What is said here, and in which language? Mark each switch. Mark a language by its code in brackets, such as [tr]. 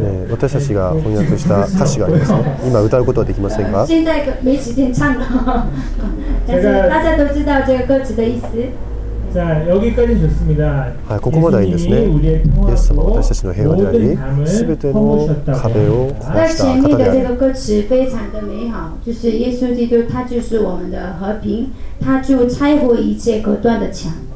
[ja] 私たちが翻訳した歌詞がありますね。今歌うことはできませんか？ [zh] 现在没时间唱了。但是大家都知道这个歌词的意思。 [ko] 자여기까지좋습니다。 [ja] はい、ここまではいいんですね。イエス様は私たちの平和であり、すべての壁を壊した方である。 [zh] 那前面的这个歌词非常的美好，就是耶稣基督他就是我们的和平，他就拆毁一切隔断的墙。